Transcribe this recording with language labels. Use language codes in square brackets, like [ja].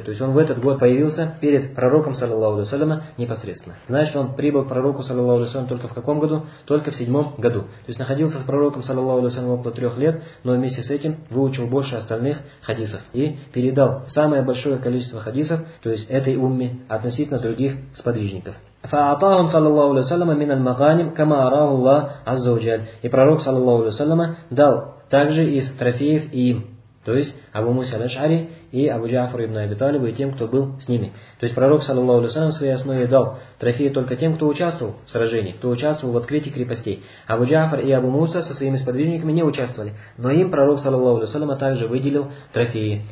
[ru] То есть он в этот год появился перед пророком, саллаллаху алейхи ва саллям, непосредственно. Значит, он прибыл к пророку, саллаллаху алейхи ва саллям, только в каком году? Только в 7-м году. То есть находился с пророком, саллаллаху алейхи ва саллям, около 3 лет, но вместе с этим выучил больше остальных хадисов. И передал самое большое количество хадисов, то есть этой умме, относительно других сподвижников. [ar] فأعطاهم صلى الله عليه وسلم من المغانم كما أراه الله عز وجل. [ru] И пророк [ar] صلى الله عليه وسلم [ru] дал также из трофеев им, то есть Абу Муса аль-Ашари и Абу Джафар ибн Аби Талиб и тем, кто был с ними. То есть пророк [ar] صلى الله عليه وسلم [ru] в своей основе дал трофеи только тем, кто участвовал в сражении, кто участвовал в открытии крепостей. Абу Джафар и Абу Муса со своими сподвижниками не участвовали, но им пророк [ar] صلى الله عليه وسلم [ru] также выделил трофеи.